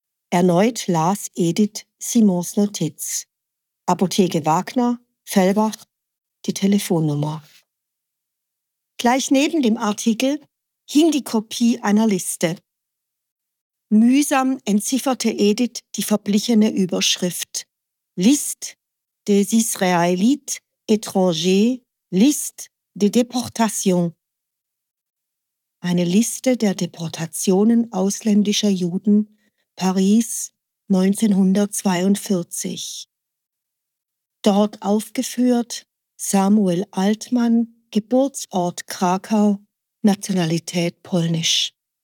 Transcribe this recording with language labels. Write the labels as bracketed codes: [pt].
[de] Erneut las Edith Simons Notiz. Apotheke Wagner, Fellbach, die Telefonnummer. Gleich neben dem Artikel hing die Kopie einer Liste. Mühsam entzifferte Edith die verblichene Überschrift. [fr] Liste des Israélites étrangers, Liste des Deportations. [de] Eine Liste der Deportationen ausländischer Juden, Paris 1942. Dort aufgeführt Samuel Altmann, Geburtsort Krakau, Nationalität polnisch.